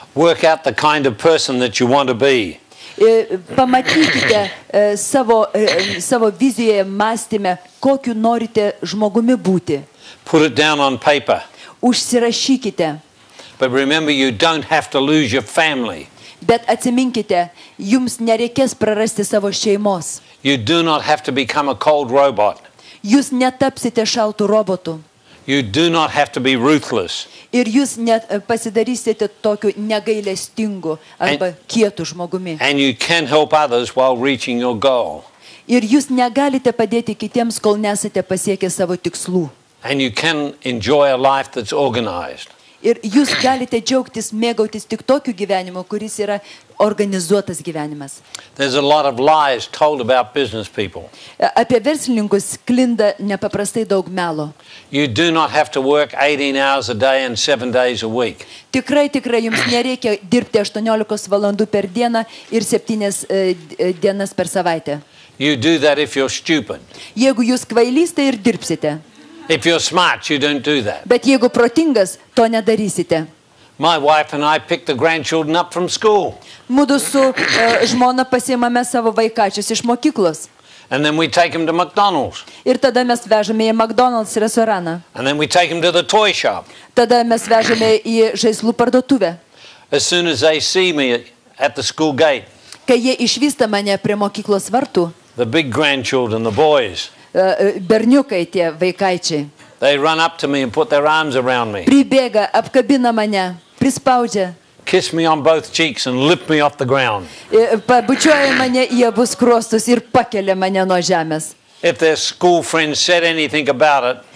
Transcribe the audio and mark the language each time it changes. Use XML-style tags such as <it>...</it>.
<en>Work out the kind of person that you want to be.</en> <lt>Pamatykite savo vizijoje, mąstyme, kokiu norite žmogumi būti.</lt> <en>Put it down on paper.</en> <lt>Užsirašykite.</lt> <en>But remember, you don't have to lose your family.</en> <lt>Bet atsiminkite, jums nereikės prarasti savo šeimos.</lt> <en>You do not have to become a cold robot.</en> <lt>Jūs netapsite šaltų robotų.</lt> <en>You do not have to be ruthless.</en> <lt>Ir jūs nepasidarysite tokiu negailestingu arba kietu žmogumi.</lt> <en>And you can help others while reaching your goal.</en> <lt>Ir jūs negalite padėti kitiems, kol nesate pasiekę savo tikslų.</lt> <en>And you can enjoy a life that's organized.</en> <lt>Ir jūs galite džiaugtis, mėgautis tik tokiu gyvenimu, kuris yra organizuotas gyvenimas.</lt> <en>There's a lot of lies told about business people.</en> <lt>Apie verslininkus sklinda nepaprastai daug melo.</lt> <en>You do not have to work 18 hours a day and 7 days a week.</en> <lt>Tikrai jums nereikia dirbti 18 valandų per dieną ir 7 dienas per savaitę.</lt> <en>You do that if you're stupid.</en> <lt>Jeigu jūs kvailys, tai ir dirbsite.</lt> <en>If you're smart, you don't do that.</en> <lt>Bet jeigu protingas, to nedarysite.</lt> <en>My wife and I pick the grandchildren up from school.</en> <lt>Mudu su žmona pasiimame savo vaikačius iš mokyklos.</lt> <en>And then we take them to McDonald's.</en> <lt>Ir tada mes vežame į McDonald's restoraną.</lt> <en>And then we take them to the toy shop.</en> <lt>Tada mes vežame į žaislų parduotuvę.</lt> <en>As soon as they see me at the school gate.</en> <lt>Kai jie išvysta mane prie mokyklos vartų.</lt> <en>The big grandchildren, the boys.</en> <lt>Berniukai tie vaikaičiai.</lt> <en>They run up to me and put their arms around me.</en> <lt>Pribėga, apkabina mane, prispaudžia.</lt> <en>Kiss me on both cheeks and lift me off the ground.</en> <lt>Pabučiuoja mane į abu skruostus ir pakelia mane nuo žemės.</lt> <en>If their school friends said anything about it.</en>